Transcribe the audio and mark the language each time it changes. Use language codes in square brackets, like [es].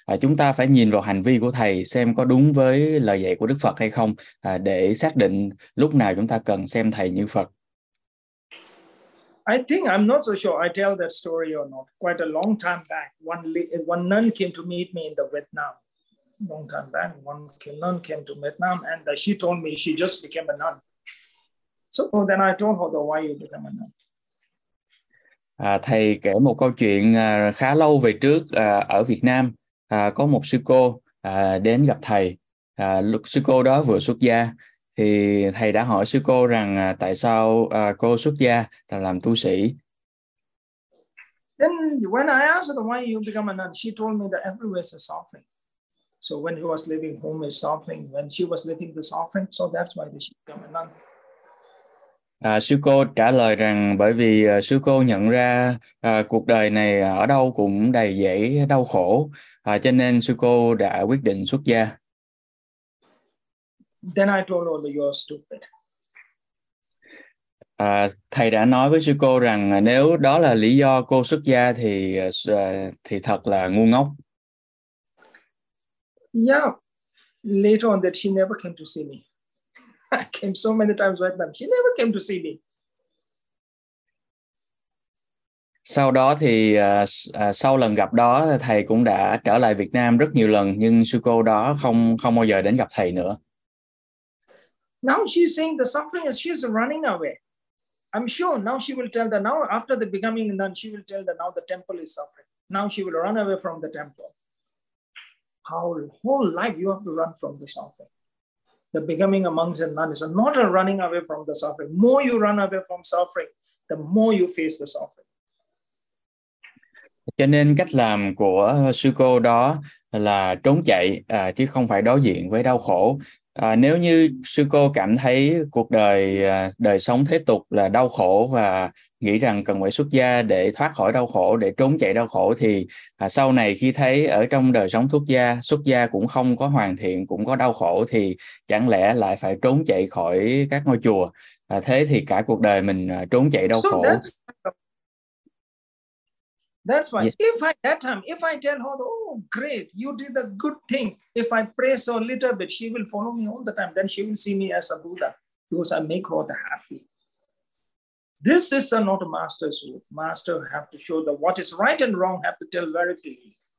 [vi] Chúng ta phải nhìn vào hành vi của thầy xem có đúng với lời dạy của Đức Phật hay không để xác định lúc nào chúng ta cần xem thầy như Phật. [en] I think I'm not so sure I tell that story or not. Quite a long time back, one nun came to meet me in the Vietnam. Long time back, one nun came to Vietnam and she told me she just became a nun. So then I told her, why you became a nun? [vi] Thầy kể một câu chuyện khá lâu về trước ở Việt Nam. Có một sư cô đến gặp thầy. Sư cô đó vừa xuất gia. Thì thầy đã hỏi sư cô rằng tại sao cô xuất gia làm tu sĩ. [en] Then when I asked her why you become a nun, she told me that everywhere is a suffering. So when he was living home is suffering, when she was living the suffering, so that's why she became a nun. [vi] Sư cô trả lời rằng bởi vì sư cô nhận ra cuộc đời này ở đâu cũng đầy dễ đau khổ, cho nên sư cô đã quyết định xuất gia. [en] Then I told her, you're stupid. [vi] Thầy đã nói với sư cô rằng nếu đó là lý do cô xuất gia thì thật là ngu ngốc. [en] Yeah, later on that she never came to see me. I came so many times with them. She never came to see me. [vi] Sau đó thì sau lần gặp đó thầy cũng đã trở lại Việt Nam rất nhiều lần, nhưng sư cô đó không bao giờ đến gặp thầy nữa. [en] Now she's saying the suffering is she's running away. I'm sure now she will tell that now after the becoming nun, she will tell that now the temple is suffering. Now she will run away from the temple. How whole life you have to run from the suffering. The becoming a monk and nun is not a running away from the suffering. More you run away from suffering, the more you face the suffering. [vi] Cho nên cách làm của sư cô đó là trốn chạy chứ không phải đối diện với đau khổ. Nếu như sư cô cảm thấy cuộc đời, đời sống thế tục là đau khổ và nghĩ rằng cần phải xuất gia để thoát khỏi đau khổ, để trốn chạy đau khổ, thì sau này khi thấy ở trong đời sống xuất gia cũng không có hoàn thiện, cũng có đau khổ, thì chẳng lẽ lại phải trốn chạy khỏi các ngôi chùa. Thế thì cả cuộc đời mình trốn chạy đau khổ. [en] That's why, yes. If I, that time, if I tell her, oh, great, you did a good thing. If I pray so little bit, she will follow me all the time. Then she will see me as a Buddha because I make her happy. This is a not a master's rule. Master have to show that what is right and wrong have to tell very clearly.